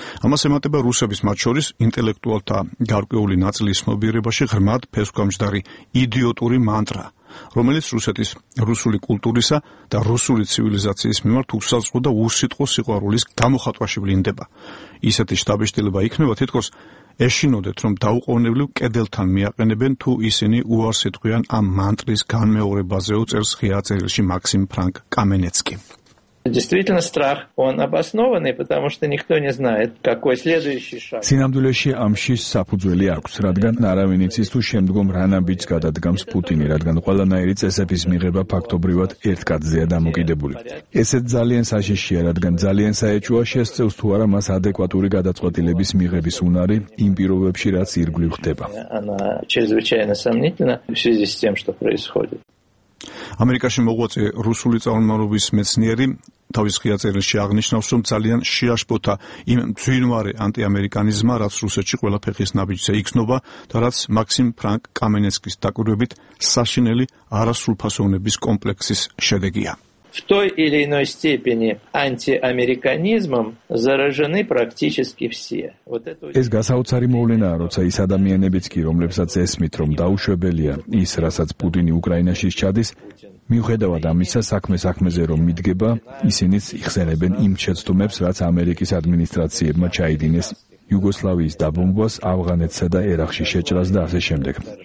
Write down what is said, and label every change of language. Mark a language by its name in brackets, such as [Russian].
[Georgian] ამას ემატება რუსების მათ შორის ინტელექტუალთა გარკვეული ნაწილის ცნობიერებაში ღრმად ფესვგამჯდარი იდიოტური მანტრა, რომელიც რუსეთის რუსული კულტურისა და რუსული ცივილიზაციის მიმართ უსაზღვრო და უსიტყვო სიყვარულის გამოხატვაში ვლინდება. ისეთი შტაბეშტილება იქნება თითქოს ეშინოდეთ, რომ დაუყოვნებლივ კედელთან მიაყენებენ, თუ ისინი უარსიტყვიან ამ მანტრის განმეორებაზე უწერს ღია წერილში Максим Фрэнк Каменецки. [Russian] Действительно страх, он обоснованный, потому что никто не знает, какой следующий шаг. [Georgian] Синамдулеში ამში საფუძველი აქვს, რადგან არავინ იცის, თუ შემდგომ რანაბიჯს გადადგამს პუტინი, რადგან ყველანაირი წესების მიღება ფაქტობრივად ერთკაცზეა დამოკიდებული. ესეც ძალიან საშიშია, რადგან ძალიან საეჭოა შესწევს თუ არა მას ადეკვატური გადაწყვეტილების მიღების უნარი იმ პირობებში, რაც ირგვლივ ხდება. [Russian] Она чрезвычайно сомнительна в связи с тем, что происходит. [Georgian] ამერიკაში მოღვაწე რუსული წარმომავლობის მეცნიერი თავის ღია წერილში აღნიშნავს, რომ ძალიან შეაშფოთა იმ მძვინვარე ანტიამერიკანიზმმა, რაც რუსეთში ყველა ფეხის ნაბიჯზე იგრძნობა და რაც მაქსიმ ფრანკ კამენესკის დაკვირვებით საშინელი არასრულფასოვნების კომპლექსის შედეგია. [Russian] В той или иной степени антиамериканизмом заражены практически все. [Georgian] Ეს გასაოცარი მოვლენაა, როცა ის ადამიანებიც კი, რომლებსაც ესმით, რომ დაუშვებელია ის, რასაც პუტინი უკრაინაში ჩადის, მიუხედავად ამისა, საქმეზე რომ მიდგება, ისინიც იხსენებენ იმ შეცდომებს, რაც ამერიკის ადმინისტრაციებმა ჩაიდინეს. იუგოსლავიის დაბომბვას, ავღანეთსა და ერაყში შეჭრას და ასე შემდეგ.